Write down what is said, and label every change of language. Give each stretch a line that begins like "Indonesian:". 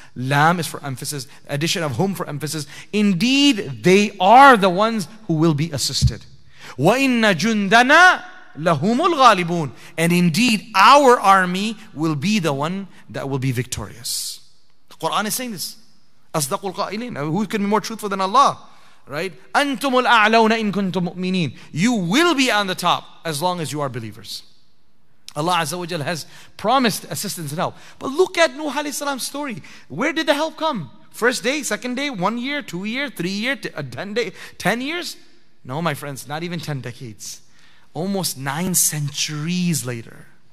English: لَام is for emphasis. Addition of whom for emphasis. Indeed, they are the ones who will be assisted.
Arabic: وَإِنَّ جُنْدَنَا لَهُمُ الْغَالِبُونَ.
English: And indeed, our army will be the one that will be victorious. Quran is saying this.
Arabic: أصدقوا القائلين.
English: Who can be more truthful than Allah? Right?
Arabic: أنتم الأعلون إن كنتم مؤمنين.
English: You will be on the top as long as you are believers. Allah Azza wa Jal has promised assistance and help. But look at Nuh alayhi salam's story. Where did the help come? First day, second day, 1 year, 2 year, 3 year, 10 day, 10 years? No, my friends, not even 10 decades. Almost 9 centuries later.